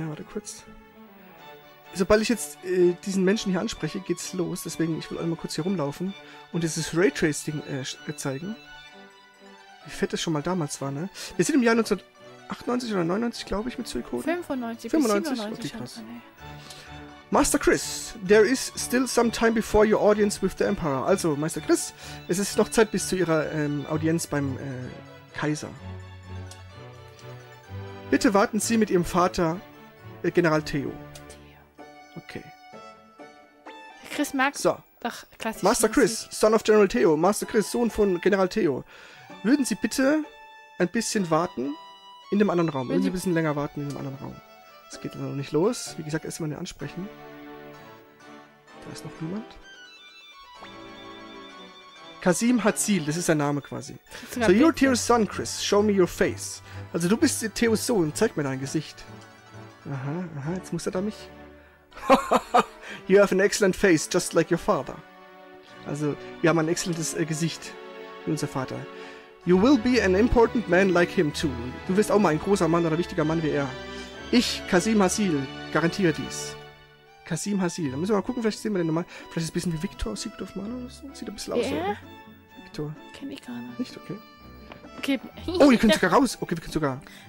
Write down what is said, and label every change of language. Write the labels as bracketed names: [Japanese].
[German] Ja, warte kurz. Sobald ich jetzt diesen Menschen hier anspreche, geht's los. Deswegen, ich will einmal kurz hier rumlaufen und dieses Raytracing zeigen. wie fett das schon mal damals war, ne? Wir sind im Jahr 1998 oder 99, glaube ich, mit Suikoden. 95 bis 97. [English] Master Chris, there is still some time before your audience with the Emperor. [German] Also, Meister Chris, es ist noch Zeit bis zu ihrer Audienz beim Kaiser. Bitte warten Sie mit Ihrem Vater, General Theo. Okay. Chris mag so. Doch klassisch. [English] Master Chris, Son of General Theo. Master Chris, [German] Sohn von General Theo. Würden Sie bitte ein bisschen warten in dem anderen Raum? Würden Sie ein bisschen länger warten in dem anderen Raum? Es geht noch nicht los. Wie gesagt, erst mal nicht ansprechen. Da ist noch niemand. Kasim Hatzil, das ist sein Name quasi. [English] So, you're Theo's son, Chris. Show me your face. [German] Also, du bist Theos Sohn. Zeig mir dein Gesicht. Aha, aha, jetzt muss er da mich. [English] You have an excellent face, just like your father. [German] Also, wir haben ein exzellentes Gesicht, wie unser Vater. [English] You will be an important man like him too. [German] Du wirst auch mal ein großer Mann oder wichtiger Mann wie er. Ich, Kasim Hasil, garantiere dies. Kasim Hasil. Da müssen wir mal gucken, vielleicht sehen wir den nochmal. Vielleicht ist es ein bisschen wie Victor Secret of Mana oder so. Sieht ein bisschen aus, oder? Victor. Kenn ich gar nicht. Nicht? Okay. Okay. Oh, ihr könnt sogar raus. Okay, wir können sogar.